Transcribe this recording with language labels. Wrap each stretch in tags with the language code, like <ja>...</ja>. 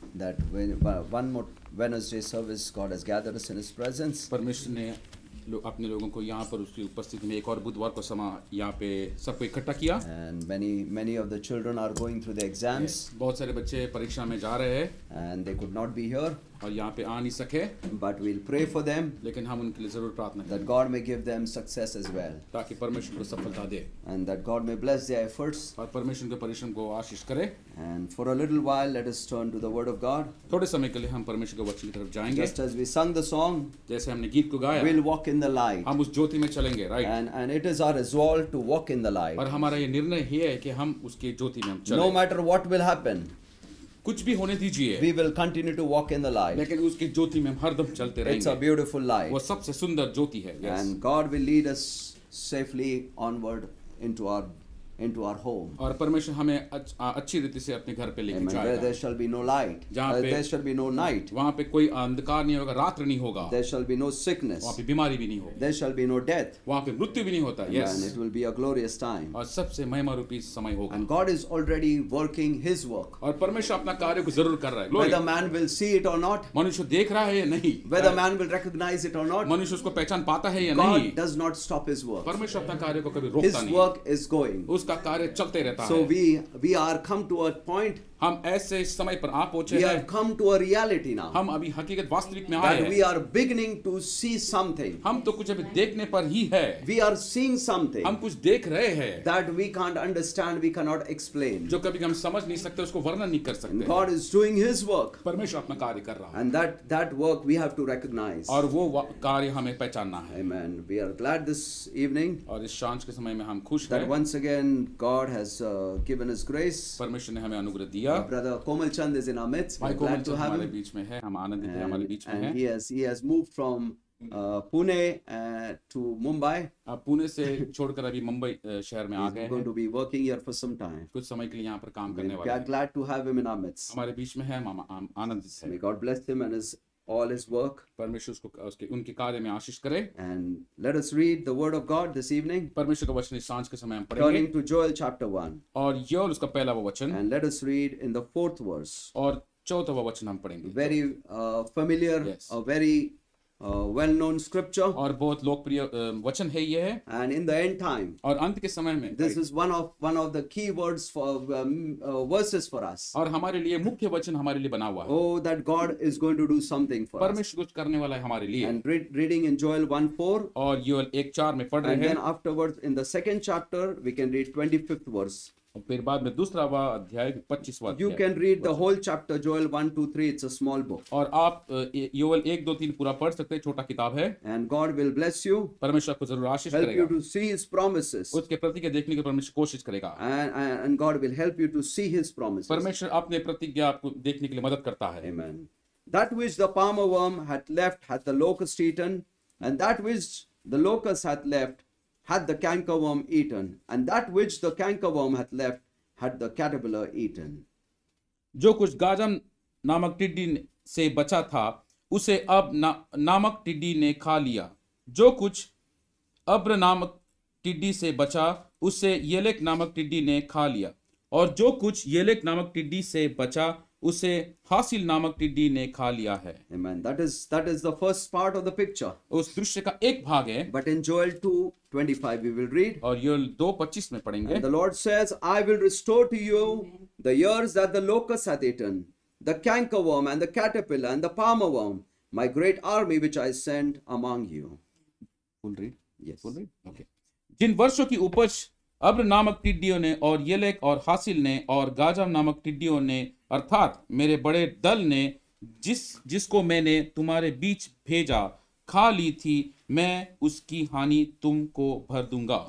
<en>That when one more Wednesday service, God has gathered us in His presence.</en> <hi>परमेश्वर ने अपने लोगों को यहाँ पर उसकी उपस्थिति में एक और बुधवार को समा यहाँ पे सबको इकट्ठा किया.</hi> <en>And many of the children are going through the exams.</en> <hi>बहुत सारे बच्चे परीक्षा में जा रहे हैं.</hi> <en>And they could not be here.</en> <hi>और यहाँ पे आ नहीं सके.</hi> <en>But we'll pray for them.</en> <hi>लेकिन हम उनके लिए जरूर प्रार्थना करें.</hi> <en>That God may give them success as well.</en> <hi>ताकि परमेश्वर को सफलता दे.</hi> <en>And that God may bless their efforts.</en> <hi>और परमेश्वर के परिश्रम को आशीष करे.</hi> <en>And for a little while, let us turn to the Word of God.</en> <hi>थोड़े समय के लिए हम परमेश्वर के वचन की तरफ जाएंगे.</hi> <en>Just as we sung the song.</en> <hi>जैसे हमने गीत को गाया.</hi> <en>We'll walk in the light.</en> <hi>हम उस ज्योति में चलेंगे, right?</hi> <en>And it is our resolve to walk in the light.</en> <hi>और हमारा ये निर्णय ही है कि हम उसके ज्योति में हम चलें.</hi> <en>No matter what will happen.</en> <hi>कुछ भी होने दीजिए.</hi> <en>We will continue to walk in the light.</en> <hi>लेकिन उसकी ज्योति में हम हरदम चलते रहेंगे.</hi> <en>It's a beautiful light.</en> <hi>वो सबसे सुंदर ज्योति है. Yes.</hi> <en>And God will lead us safely onward into our home.</en> <hi>और परमेश्वर हमें अच्छी रीति से अपने घर पे लेके जाएगा.</hi> <en>Where there shall be no light. There shall be no night.</en> <hi>वहाँ पे कोई अंधकार नहीं होगा, रात्र नहीं होगा.</hi> <en>There shall be no sickness.</en> <hi>वहाँ पे बीमारी भी नहीं होगी.</hi> <en>There shall be no death.</en> <hi>वहाँ पे मृत्यु भी नहीं होता.</hi> <en>Yes. And it will be a glorious time.</en> <hi>और सबसे महिमा रूपी समय होगा.</hi> <en>And God is already working His work.</en> <hi>और परमेश्वर अपना कार्य को जरूर कर रहा है.</hi> <en>Whether man will see it or not.</en> <hi>मनुष्य देख रहा है या नहीं.</hi> <en>Whether man will recognize it or not.</en> <hi>मनुष्य उसको पहचान पाता है या नहीं.</hi> <en>God does not stop His work.</en> <hi>परमेश्वर अपना कार्य को कभी रोकता नहीं.</hi> <en>His work is going.</en> <hi>का कार्य चलते रहता</hi> <en>so</en> <hi>है.</hi> <en>we are come to a point.</en> <hi>हम ऐसे समय पर आ पहुंचे</hi> <en>हैं. We have come to a reality now.</en> <hi>हम अभी हकीकत वास्तविक में आए हैं.</hi> <en>We are beginning to see something.</en> <hi>हम तो कुछ अभी देखने पर ही है.</hi> <en>We are seeing something.</en> <hi>हम कुछ देख रहे हैं.</hi> <en>That we can't understand, we cannot explain.</en> <hi>जो कभी हम समझ नहीं सकते, उसको वर्णन नहीं कर सकते.</hi> <en>And God is doing His work.</en> <hi>परमेश्वर अपना कार्य कर रहा है.</hi> <en>And that work we have to recognize.</en> <hi>और वो कार्य हमें पहचानना है.</hi> <en>Amen. We are glad this evening.</en> <hi>और इस शांत के समय में हम खुश हैं.</hi> <en>That once again God has given us grace.</en> <hi>परमेश्वर ने हमें अनुग्रह दिया.</hi> <en>Brother Komal Chand is in our midst. We're glad Komal to have him.</en> <hi>बीच में है, हम आनंदित हैं हमारे बीच में हैं.</hi> <en>He has moved from Pune to Mumbai.</en> <hi>अब पुणे से छोड़कर अभी मुंबई शहर में आ गए हैं.</hi> <en>He's going to be working here for some time.</en> <hi>कुछ समय के लिए यहाँ पर काम करने वाले.</hi> <en>We are glad to have him in our midst.</en> <hi>हमारे बीच में है, हम आनंदित हैं.</hi> <en>May God bless him and his all his work.</en> <hi>परमेश्वर उसको उसके उनके कार्य में आशीष करे.</hi> <en>And let us read the word of God this evening.</en> <hi>परमेश्वर का वचन इस सांझ के समय हम</hi> <en>पढ़ेंगे. Turning to Joel chapter 1.</en> <hi>और योएल उसका पहला वो वचन.</hi> <en>And let us read in the fourth verse.</en> <hi>और चौथा वो वचन हम पढ़ेंगे.</hi> <en>Very familiar. Yes. A very well-known scripture.</en> <hi>और बहुत लोकप्रिय वचन है ये है.</hi> <en>And in the end time.</en> <hi>और अंत के समय में.</hi> <en>This is one of the key words for verses for us.</en> <hi>और हमारे लिए मुख्य वचन हमारे लिए बना हुआ है.</hi> <en>Oh, that God is going to do something for us.</en> <hi>परमेश्वर कुछ करने वाला है हमारे लिए.</hi> <en>And reading in Joel 1:4.</en> <hi>और योएल 1:4 में पढ़ रहे हैं.</hi> <en>And then afterwards in the second chapter we can read 25th verse.</en> <hi>फिर बाद में दूसरा वा अध्याय 25वां.</hi> <en>You can read the whole chapter Joel 1:2-3. It's a small book.</en> <hi>और आप योएल 1:2-3 पूरा पढ़ सकते हैं. छोटा किताब है.</hi> <en>And God will bless you.</en> <hi>परमेश्वर आपको जरूर आशीष करेगा.</hi> <en>Help you to see His promises.</en> <hi>उसके प्रतिज्ञा देखने के परमेश्वर कोशिश करेगा.</hi> <en>And God will help you to see His promises.</en> <hi>परमेश्वर अपने प्रतिज्ञा आपको देखने के लिए मदद करता है.</hi> <en>Amen. That which the palmer worm had left had the locust eaten, and that which the locust had left had the cankerworm eaten, and that which the cankerworm had left had the caterpillar eaten.</en> <hi>जो कुछ Gazan नामक टिड्डी से बचा था उसे अब नामक टिड्डी ने खा लिया. जो कुछ अब्र नामक टिड्डी से बचा उसे येलेक नामक टिड्डी ने खा लिया. और जो कुछ येलेक नामक टिड्डी से बचा उसे हासिल नामक टिड्डी ने खा लिया है.</hi> <en>Amen. That is the first part of the picture.</en> <hi>उस दृश्य का एक भाग है.</hi> <en>But in Joel 2:25 we will read.</en> <hi>और योएल 2:25 में पढ़ेंगे.</hi> <en>And the Lord says, I will restore to you the years that the locust hath eaten, the cankerworm and the caterpillar and the palmer worm, my great army which I sent among you. Full read. Yes. Full read. Okay.</en> <hi>जिन वर्षों की उपज अब्र नामक टिड्डियों ने और येलेक और हासिल ने और गाजम नामक टिड्डियों ने अर्थात मेरे बड़े दल ने जिसको मैंने तुम्हारे बीच भेजा खा ली थी मैं उसकी हानि तुमको भर दूंगा.</hi>